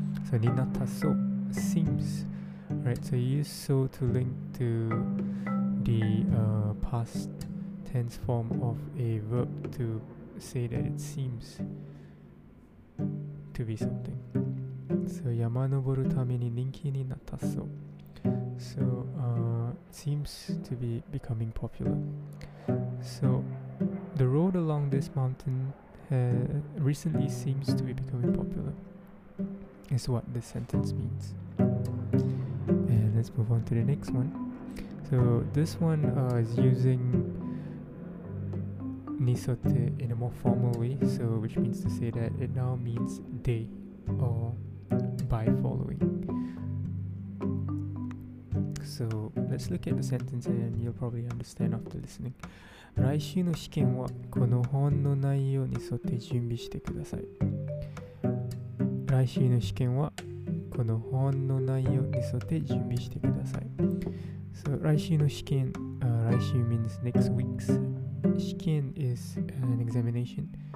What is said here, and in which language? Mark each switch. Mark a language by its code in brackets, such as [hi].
[en] So になったそう seems right. So you use so to link to the past tense form of a verb to say that it seems to be something. [ja] So 山登るために人気になったそう。 [en] So seems to be becoming popular. So the road along this mountain recently seems to be becoming popular is what this sentence means. And let's move on to the next one. So this one is using nisote in a more formal way, so which means to say that it now means day or by following. So let's look at the sentence and you'll probably understand after listening. [ja] 来週の試験はこの本の内容に沿って準備してください。来週の試験はこの本の内容に沿って準備してください。 [en] So [ja] 来週の試験、来週 [en] means next week's 試験 is an examination.